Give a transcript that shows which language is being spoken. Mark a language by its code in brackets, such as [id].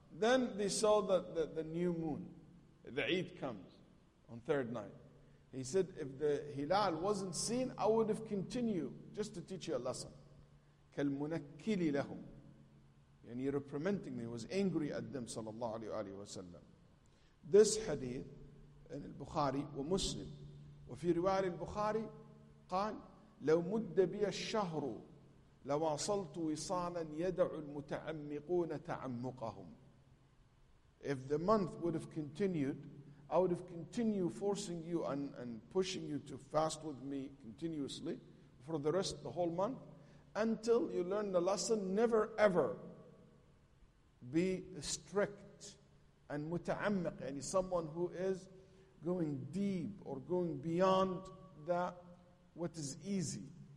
[en] Then they saw the new moon. The Eid comes on third night. He said, if the Hilal wasn't seen, I would have continued just to teach you a lesson. [ar] كَالْمُنَكِّلِ لَهُمْ. [en] And he reprimanding me, he was angry at them, sallallahu alayhi wa sallam. This hadith in al-Bukhari wa Muslim. [ar] وفي رواية البخاري قال, لو مد بي الشهر لواصلت وصالا يدعو المتعمقون تعمقهم. [en] If the month would have continued, I would have continued forcing you and pushing you to fast with me continuously for the rest of the whole month until you learn the lesson. Never ever be strict and mutaammiq, yani someone who is going deep or going beyond that what is easy.